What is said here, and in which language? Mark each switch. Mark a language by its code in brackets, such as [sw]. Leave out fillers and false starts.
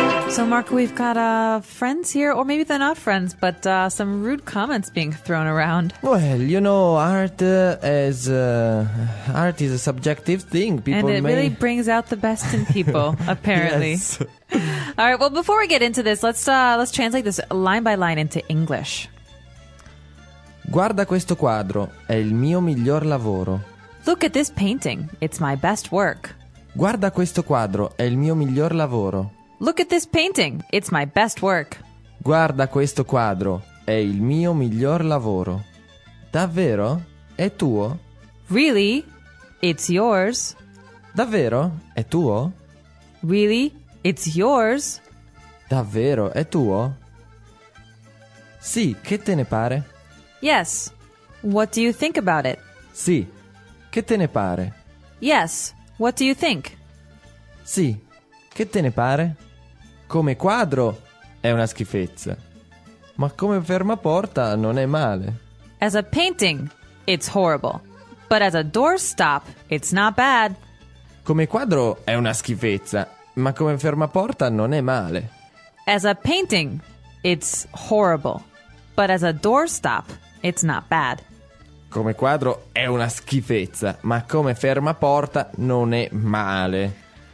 [en] So Marco, we've got friends here, or maybe they're not friends, but some rude comments being thrown around. Well, you know, art is a subjective thing. People and it really brings out the best in people, apparently. Yes. All right. Well, before we get into this, let's translate this line by line into English. [it] Guarda questo quadro, è il mio miglior lavoro. [en] Look at this painting. It's my best work. [it] Guarda questo quadro, è il mio miglior lavoro. [en] Look at this painting. It's my best work. [it] Guarda questo quadro. È il mio miglior lavoro. Davvero? È tuo? [en] Really? It's yours. [it] Davvero? È tuo? [en] Really? It's yours. [it] Davvero? È tuo? Sì, che te ne pare? [en] Yes. What do you think about it? [it] Sì. Che te ne pare? [en] Yes. What do you think? [it] Sì. Che te ne pare? Come quadro è una schifezza, ma come fermaporta non è male. [en] As a painting, it's horrible, but as a doorstop, it's not bad. [it] Come quadro è una schifezza, ma come fermaporta non è male. [en] As a painting, it's horrible, but as a doorstop, it's not bad. [it] Come quadro è una schifezza, ma come fermaporta non è male.